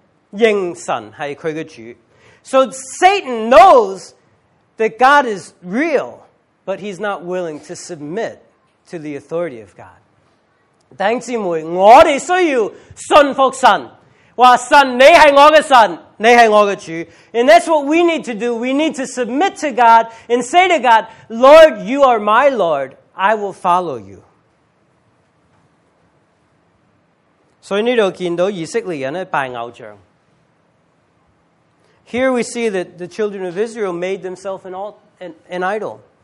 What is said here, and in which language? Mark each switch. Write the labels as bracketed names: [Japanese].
[Chinese] 什么意思?魔鬼是知道神是存在,但是他不愿意信服,认神是他的主。 [English] So Satan knows that God is real, but he's not willing to submit to the authority of God. [Chinese] 弟兄姊妹,我们需要信服神,说神你是我的神,你是我的主。 [English] And that's what we need to do. We need to submit to God and say to God, Lord, you are my Lord, I will follow you. [Chinese] 所以这里看到以色列人拜偶像。 [English] Here we see that the children of Israel made themselves an idol.